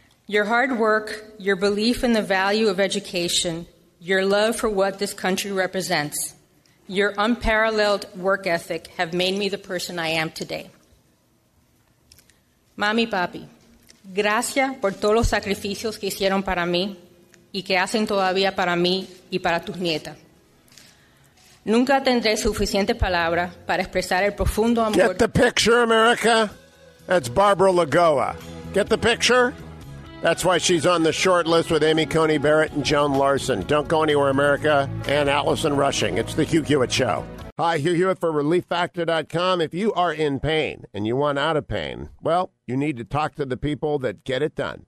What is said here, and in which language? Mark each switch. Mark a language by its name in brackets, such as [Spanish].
[English] Your hard work, your belief in the value of education, your love for what this country represents, your unparalleled work ethic have made me the person I am today. [Spanish] Mami, papi, gracias por todos los sacrificios que hicieron para mí y que hacen todavía para mí y para tus nietas. Nunca tendré suficiente palabra para expresar el profundo amor. [English] Get the picture, America. That's Barbara Lagoa. Get the picture? That's why she's on the short list with Amy Coney Barrett and Joan Larson. Don't go anywhere, America. And Allison Rushing. It's the Hugh Hewitt Show. Hi, Hugh Hewitt for ReliefFactor.com. If you are in pain and you want out of pain, well, you need to talk to the people that get it done.